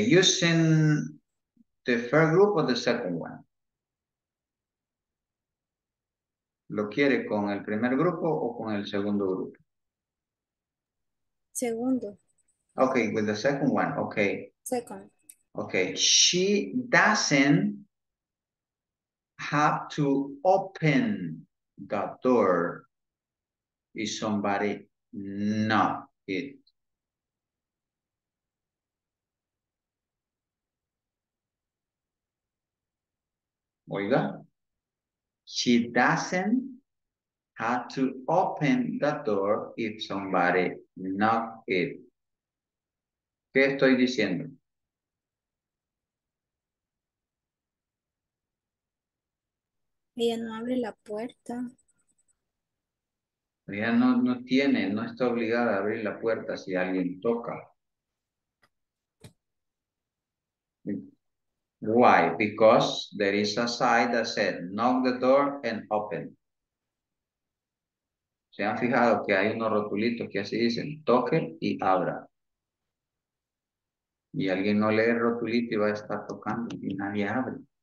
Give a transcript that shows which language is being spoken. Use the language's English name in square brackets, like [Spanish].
[English] Using the first group or the second one? [Spanish] ¿Lo quiere con el primer grupo o con el segundo grupo? Segundo. [English] Okay, with the second one. Okay. Second. Okay, she doesn't have to open the door if somebody knock it. Oiga, she doesn't have to open the door if somebody knock it. [Spanish] ¿Qué estoy diciendo? Ella no abre la puerta. Ella no está obligada a abrir la puerta si alguien toca. [English] Why? Because there is a sign that said knock the door and open. [Spanish] ¿Se han fijado que hay unos rotulitos que así dicen toquen y abra? Y alguien no lee el rotulito y va a estar tocando y nadie abre.